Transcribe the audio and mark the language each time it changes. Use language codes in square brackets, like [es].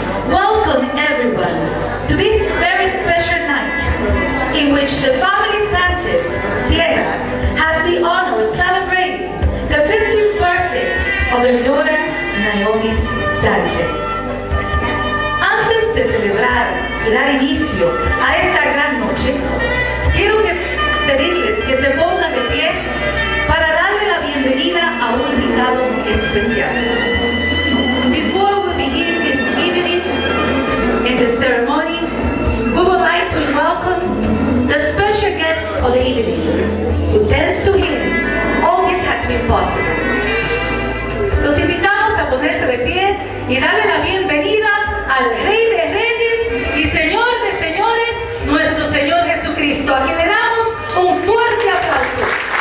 [en] Welcome everyone to this very special night in which the family Sánchez Sierra has the honor of celebrating the 50th birthday of their daughter Naomi Sánchez. [es] Antes de celebrar y dar inicio a esta gran noche, quiero que pedirles que se pongan de pie para darle la bienvenida a un invitado especial. [en] Before we begin this evening and the ceremony, we would like to welcome the special guests of the evening, who thanks to him, all this has been possible. [es] Los invitamos a ponerse de pie y darle la bienvenida al Rey de Reyes y Señor de Señores, nuestro Señor Jesucristo, a quien le damos un fuerte aplauso.